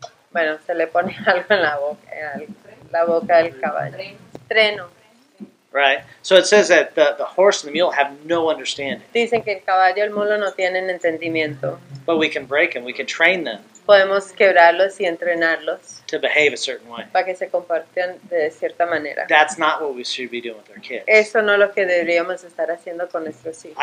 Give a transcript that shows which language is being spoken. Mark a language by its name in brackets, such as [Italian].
[Spanish] Bueno, se le pone algo en la boca del caballo. Treno. [English] Right. So it says that the horse and the mule have no understanding. [Spanish] Dicen que el caballo y el mulo no tienen entendimiento. [English] But we can break them. We can train them. [Spanish] Podemos quebrarlos y entrenarlos. [English] To behave a certain way. [Spanish] Para que se comporten de cierta manera. [English] That's not what we should be doing with our kids. [Spanish] Eso no es lo que deberíamos estar haciendo con nuestros hijos.